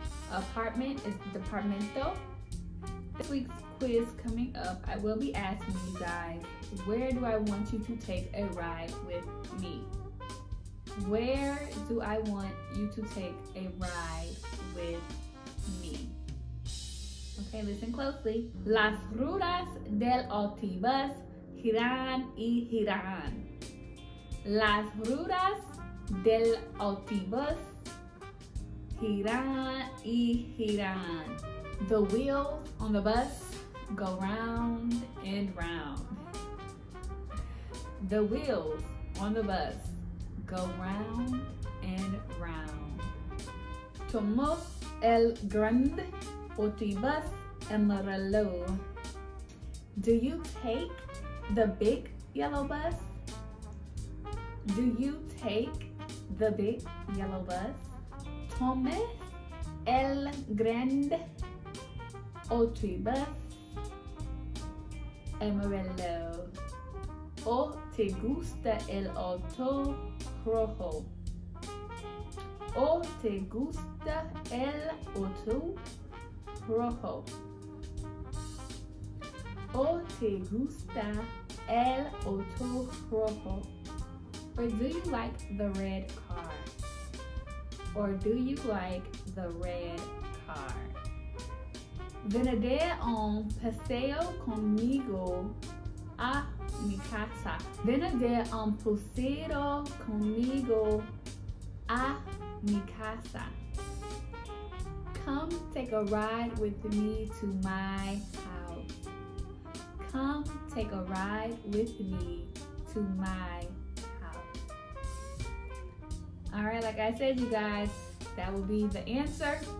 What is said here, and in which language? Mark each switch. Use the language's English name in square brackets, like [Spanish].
[English] Apartment is departamento. This week's quiz coming up, I will be asking you guys, where do I want you to take a ride with me? Where do I want you to take a ride with me? Okay, listen closely. [Spanish] Las ruedas del autobús giran y giran. Las ruedas del autobús giran y giran. [English] The wheels on the bus go round and round. The wheels on the bus go round and round. [Spanish] Tomamos el grande autobús amarillo. [English] Do you take the big yellow bus? Do you take the big yellow bus? [Spanish] Tome el grande autobús amarillo. ¿O te gusta el auto rojo? ¿O te gusta el auto rojo? ¿O te gusta el auto rojo? [English] Or do you like the red car? Or do you like the red car? [Spanish] Venide un paseo conmigo a mi casa. Venide un paseo conmigo a mi casa. [English] Come take a ride with me to my house. Come take a ride with me to my. All right, like I said, you guys, that will be the answer.